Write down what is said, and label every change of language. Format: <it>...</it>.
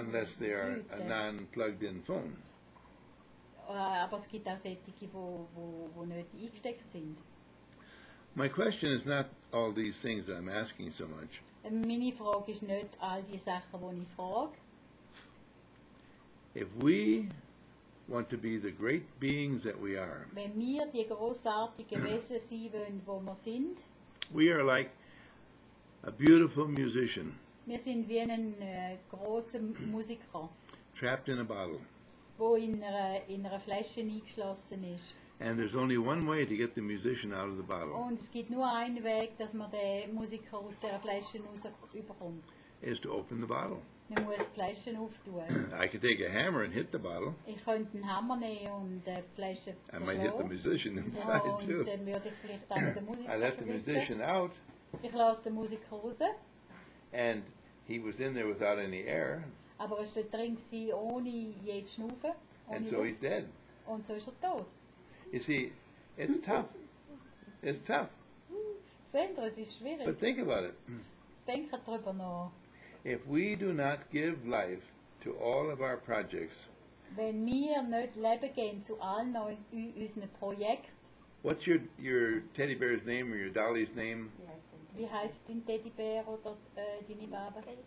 <en>Unless they are a non-plugged-in phone.</en> <de>aber es gibt auch solche, wo nicht eingesteckt sind.</de> <en>My question is not all these things that I'm asking so much.</en> <de>Meine Frage ist nicht all die Sachen, wo ich frage.</de> <en>If we want to be the great beings that we are.</en> <de>Wenn wir die großartigen Wesen sein wollen, wo wir sind.</de> <en>We are like a beautiful musician.</en> <de>Wir sind wie ein großer Musiker.</de> <en>Trapped in a bottle.</en> <de>Wo in einer Flasche eingeschlossen ist.</de> <en>And there's only one way to get the musician out of the bottle.</en> <de>Und es gibt nur einen Weg, dass man den Musiker aus der Flasche rausbekommt.</de> <en>Is to open the bottle.</en> <de>Man muss die Flasche auftun.</de> <en>I could take a hammer and hit the bottle.</en> <de>Ich könnte einen Hammer nehmen und die Flasche zerschlagen.</de> <en>I might hit the musician inside too.</en> <de>Und dann würde ich vielleicht auch den Musiker</de> <en>I let the musician out.</en> <de>Ich lasse den Musiker raus.</de> <en>And he was in there without any air.</en> <de>Aber er war dort drin, ohne je zu schnaufen.</de> <en>And so he's dead.</en> <de>Und so ist er tot.</de> <en>You see, it's tough. It's tough.</en> <de>Sandra, es ist schwierig.</de> <en>But think about it.</en> <de>Denke drüber noch.</de> <en>If we do not give life to all of our projects,</en> <de>wenn wir nicht Leben geben zu allen unseren Projekten,</de> <en>what's your teddy bear's name or your dolly's name?</en> <de>Wie heißt dein Teddy Bear oder deine Baba?</de>